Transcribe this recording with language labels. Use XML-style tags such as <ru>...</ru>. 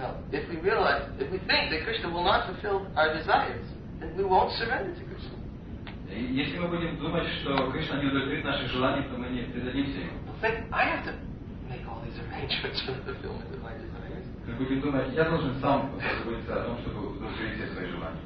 <en>If we realize, if we think that Krishna will not fulfill our desires, then we won't surrender to Krishna.</en> <ru>Если мы будем думать, что Кришна не удовлетворит наши желания, то мы не предадимся ему.</ru> <en>I have to make all these arrangements for the fulfillment of my desires.</en> <ru>Мы будем думать, я должен сам позаботиться о том, чтобы удовлетворить все свои желания.</ru>